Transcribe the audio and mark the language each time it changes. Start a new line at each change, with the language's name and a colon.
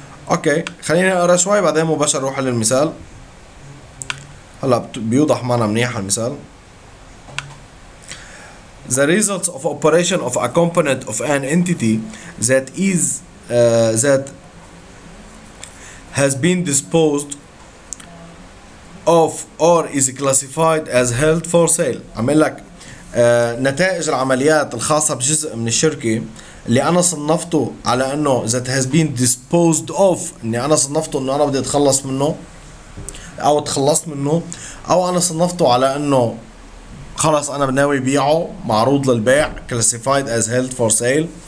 Arabic: اوكي خليني اقرا شوي بعدين مباشر روح على المثال. هلا بيوضح معنا منيح المثال.
English: The results of operation of a component of an entity that is that has been disposed of or is classified as held for sale.
Arabic: عمل لك نتائج العمليات الخاصة بجزء من الشركة اللي أنا صنفته على إنه
English: that has been disposed of،
Arabic: إني أنا صنفته إنه أنا بدي أتخلص منه أو تخلصت منه، أو أنا صنفته على إنه خلاص أنا بناوي بيعه معروض للبيع
English: classified as held for sale.